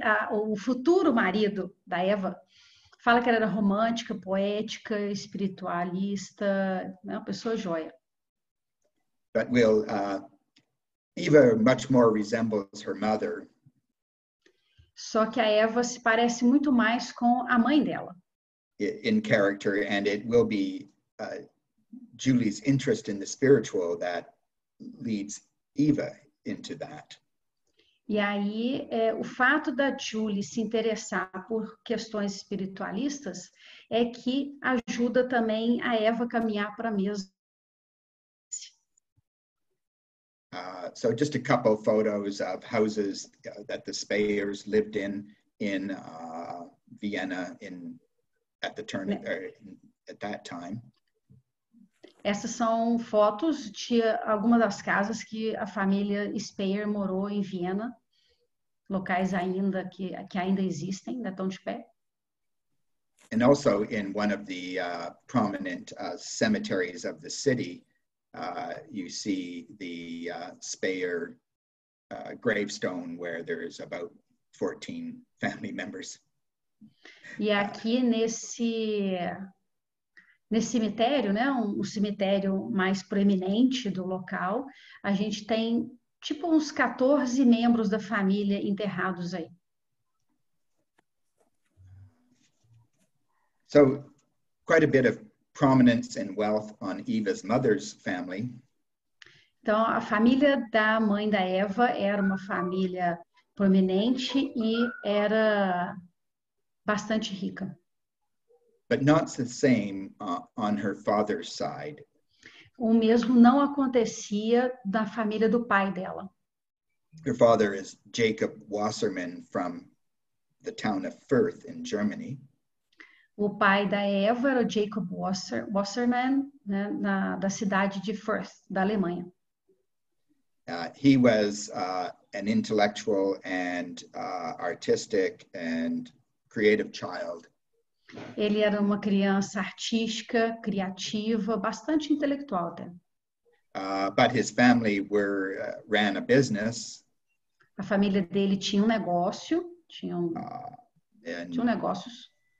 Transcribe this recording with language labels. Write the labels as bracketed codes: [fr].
[pt] O futuro marido da Eva fala que ela era romântica, poética, espiritualista, né, uma pessoa joia. [en] But Eva much more resembles her mother. [pt] Só que a Eva se parece muito mais com a mãe dela. [en] In character, and it will be Julie's interest in the spiritual that leads Eva into that. [pt] E aí, é, o fato da Julie se interessar por questões espiritualistas é que ajuda também a Eva a caminhar para a mesma. [en] So just a couple of photos of houses that the Speyers lived in Vienna in at the turn at that time. [pt] Essas são fotos de algumas das casas que a família Speyer morou em Viena, locais ainda que ainda existem, ainda estão de pé. [en] And also in one of the prominent cemeteries of the city, you see the Speyer gravestone where there is about 14 family members. [pt] E aqui nesse cemitério, né, um cemitério mais proeminente do local, a gente tem tipo uns 14 membros da família enterrados aí. [en] So, quite a bit of prominence and wealth on Eva's mother's family. [pt] Então, a família da mãe da Eva era uma família proeminente e era bastante rica. [en] But not the same on her father's side. [pt] O mesmo não acontecia na família do pai dela. [en] Her father is Jacob Wasserman from the town of Fürth in Germany. [pt] O pai da Eva era o Jacob Wasserman, né, da cidade de Fürth, da Alemanha. [en] He was an intellectual and artistic and creative child. [pt] Ele era uma criança artística, criativa, bastante intelectual até. [en] But his family were ran a business. [pt] A família dele tinha um negócio, tinha negócios.